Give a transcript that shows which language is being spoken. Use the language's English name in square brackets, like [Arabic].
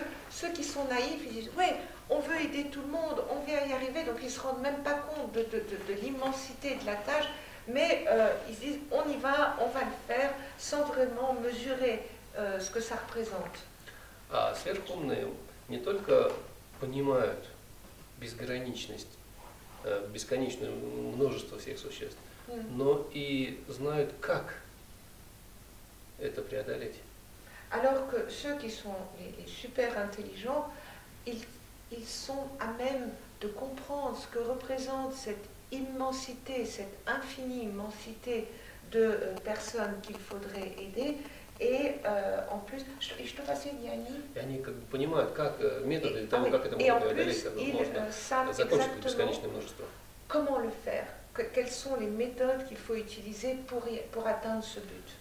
[French] Ceux qui sont naïfs, ils disent, ouais, on veut aider tout le monde, on veut y arriver, donc ils se rendent même pas compte de l'immensité de la tâche, mais ils disent, on y va, on va le faire, sans vraiment mesurer ce que ça représente. [Russian] А сверхумные не только понимают безграничность, бесконечное множество всех существ, но и знают, как это преодолеть. [French] Alors que ceux qui sont les super intelligents, ils sont à même de comprendre ce que représente cette immensité, cette infinie immensité de personnes qu'il faudrait aider. Et en plus, что passait, Yanni? [Russian] Они как бы понимают, как методы того, как это можно преодолеть, как можно закончить бесконечное множество. [French] Comment le faire? Quelles sont les méthodes qu'il faut utiliser pour atteindre ce but?